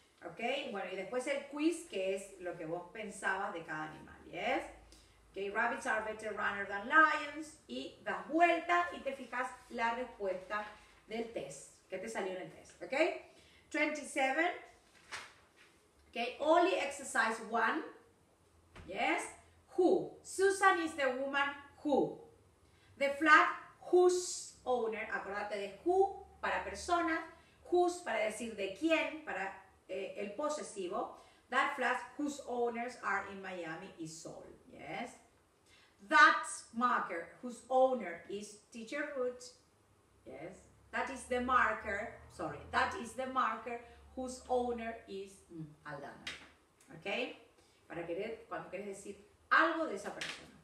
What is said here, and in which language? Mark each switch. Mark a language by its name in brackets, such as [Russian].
[Spanish] Okay, bueno, y después el quiz, que es lo que vos pensabas de cada animal. [English] Yes, okay, rabbits are better runners than lions. [Spanish] Y das vuelta y te fijas la respuesta del test, que te salió en el test. [English] Okay, 27. Okay, only exercise one. Yes. Who? Susan is the woman who. The flat whose owner. [Spanish] Acordate de who para persona. Whose para decir de quién, para el posesivo. [English] That flat whose owners are in Miami is Sol. Yes. That marker whose owner is Teacher Ruth. Yes. That is the marker. Sorry. That is the marker whose owner is Aldana. Okay. [Spanish] Para querer, cuando quieres decir algo de esa persona.